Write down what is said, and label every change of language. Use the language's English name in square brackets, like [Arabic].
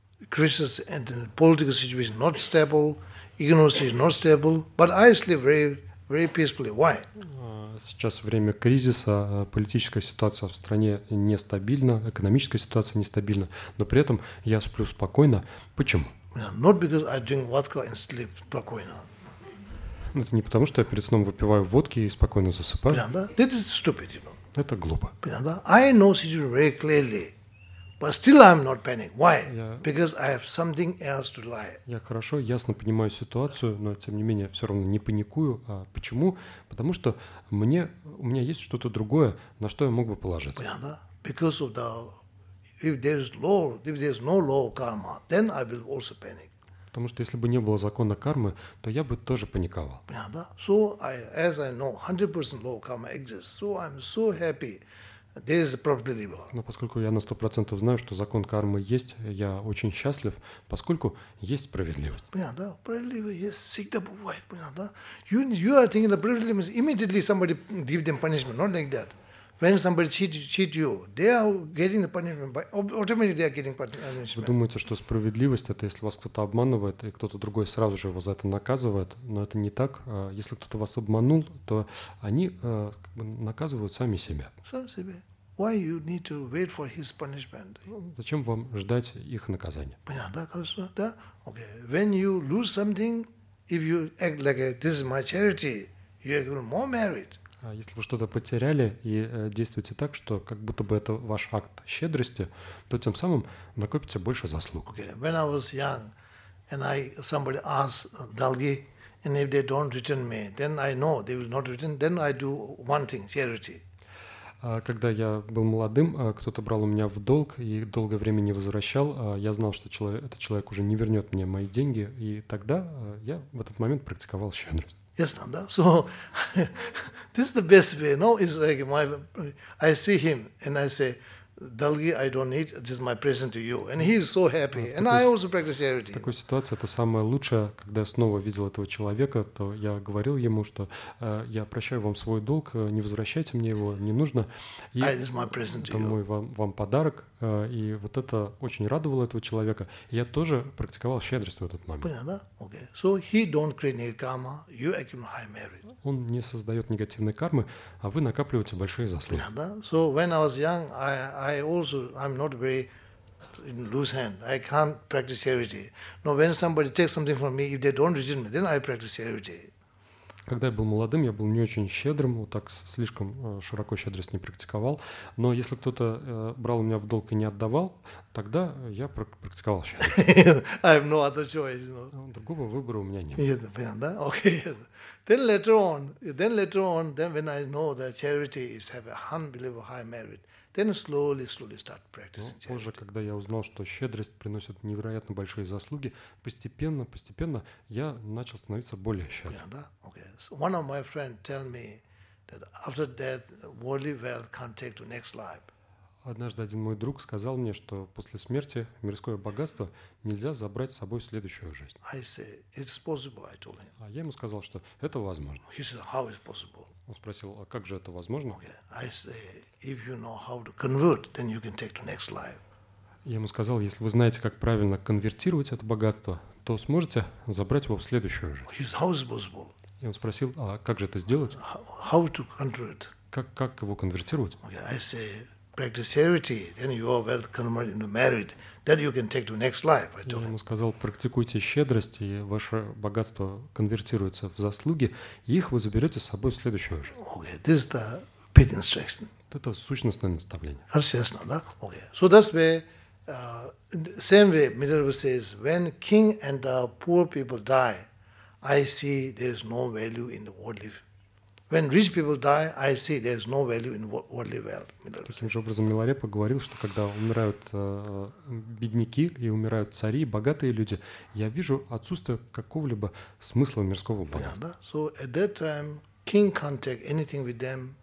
[English] Crisis and the political situation not stable, economy is not stable, but I sleep very, very peacefully. Why? [Russian] Сейчас время кризиса, политическая ситуация в стране нестабильна, экономическая ситуация нестабильна, но при этом я сплю спокойно. Почему? [English] Not because I drink vodka and sleep [Russian] спокойно. Это не потому, что я перед сном выпиваю водки и спокойно засыпаю. Понятно, да? [English] That is stupid, you know. [Russian] Это глупо. Понятно, да? [English] I know situation very clearly. But still I'm not panic. Why? Because I have something else to rely. [Russian] Я хорошо, ясно понимаю ситуацию, но тем не менее все равно не паникую. А почему? Потому что мне у меня есть что-то другое, на что я мог бы положиться. Понятно? [English] Because of the if there's law, if there's no law karma, then I will also panic. [Russian] Потому что если бы не было закона кармы, то я бы тоже паниковал. [English] Yeah, [Russian] да. [English] So I, as I know, 100% law of karma exists, so I'm so happy. This is Prabhupada Deva. [Russian] Но поскольку я на 100% знаю, что закон кармы есть, я очень счастлив, поскольку есть справедливость. Понятно, да? Справедливость есть, всегда бывает, понятно, да? [English] You are thinking the [Russian] справедливость, [English] immediately somebody give them punishment, not like that. When somebody cheat you, they are getting the punishment, automatically they are getting punishment. [Russian] Вы думаете, что справедливость — это если вас кто-то обманывает, и кто-то другой сразу же его за это наказывает, но это не так. Если кто-то вас обманул, то они как бы наказывают сами себя. Сам себе. [English] Why you need to wait for his punishment? [Russian] Зачем вам ждать их наказания? Понятно, да, хорошо, да? Okay. [English] When you lose something, if you act like a, this is my charity, you have even more merit. [Russian] Если вы что-то потеряли и действуете так, что как будто бы это ваш акт щедрости, то тем самым накопите больше заслуг. [English] Okay. When I was young, and I somebody asked [Russian] долги, [English] and if they don't return me, then I know they will not return. Then I do one thing, charity. [Russian] Когда я был молодым, кто-то брал у меня в долг и долгое время не возвращал, я знал, что этот человек уже не вернет мне мои деньги, и тогда я в этот момент практиковал щедрость. [English] Yes, Nanda. So this is the best way. No, it's like my, I see him and I say, "Dalgi, I don't need. This is my present to you." And he is so happy. And I also practice charity. [Russian] В такой ситуации это самое лучшее, когда я снова видел этого человека, то я говорил ему, что я прощаю вам свой долг, не возвращайте мне его, не нужно. [English] This is my present to you. [Russian] Это мой вам подарок, и вот это очень радовало этого человека. Я тоже практиковал щедрость в этот момент. Понятно? Okay. [English] So he don't create negative karma, you accumulate high merit. [Russian] Он не создает негативной кармы, а вы накапливаете большие заслуги. Понятно? [English] So when I was young, I also I'm not very in loose hand. I can't practice charity. No, when somebody takes something from me, if they don't return me, then I practice charity. [Russian] Когда я был молодым, я был не очень щедрым, вот так слишком широко щедрость не практиковал. Но если кто-то брал у меня в долг и не отдавал, тогда я практиковал щедрость. [English] I have no other choice. No. [Russian] Другого выбора у меня не было. Да, понятно, да? Okay. [English] Then later on, when I know that charity is have a unbelievable high merit. Then slowly start practicing. [Russian] Ну, позже, когда я узнал, что щедрость приносит невероятно большие заслуги, постепенно я начал становиться более щедрым. [English] Yeah, [Russian] да? [English] Okay. So one of my friends tell me that after death worldly wealth can't take to next life. [Russian] Однажды один мой друг сказал мне, что после смерти мирское богатство нельзя забрать с собой в следующую жизнь. [English] I say, it's possible, I told him. [Russian] А я ему сказал, что это возможно. [English] He said, how is possible? [Russian] Он спросил, а как же это возможно? [English] Okay. I say, if you know how to convert, then you can take to next life. [Russian] Я ему сказал, если вы знаете, как правильно конвертировать это богатство, то сможете забрать его в следующую жизнь. [English] He said, how is possible? [Russian] И он спросил, а как же это сделать? [English] How to convert? [Russian] Как его конвертировать? [English] Okay. I say, practice charity, then your wealth converts into merit, that you can take to next life. I told him. [Russian] Я ему сказал, практикуйте щедрость, и ваше богатство конвертируется в заслуги, и их вы заберете с собой в следующую жизнь. [English] Okay, this is the pit instruction. [Russian] Это сущностное наставление. Ясно, да? Okay. [English] So that's where, same way, Middle Buddha says, when king and the poor people die, I see there is no value in the worldly. When rich people die, I see there is no value in worldly wealth. [Russian] Таким же образом Миларепа говорил, что когда умирают бедняки и умирают цари, богатые люди, я вижу отсутствие какого-либо смысла мирского богатства. [English] So at that time, king can't take anything with them.